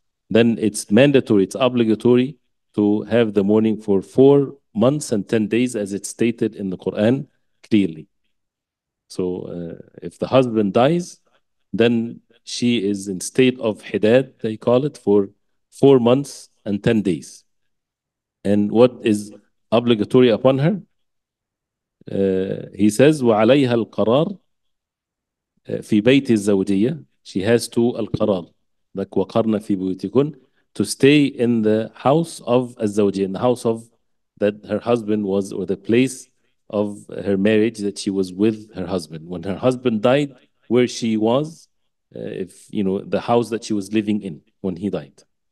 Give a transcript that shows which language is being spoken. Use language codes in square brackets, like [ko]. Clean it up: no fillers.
[en] Then it's mandatory, it's obligatory to have the mourning for 4 months and 10 days, as it's stated in the Quran clearly. So if the husband dies, then she is in state of hidad, they call it, for 4 months and 10 days. And what is obligatory upon her? He says, [ar] وَعَلَيْهَا الْقَرَارِ فِي بَيْتِ الزَّوْجِيَّةِ. [en] She has to, al-qarar, like [ar] وَقَرْنَ فِي بُيْتِكُنْ, [en] to stay in the house of الزَّوْجِيَّةِ, in the house of that her husband was, or the place of her marriage that she was with her husband. When her husband died, where she was, the house that she was living in when he died.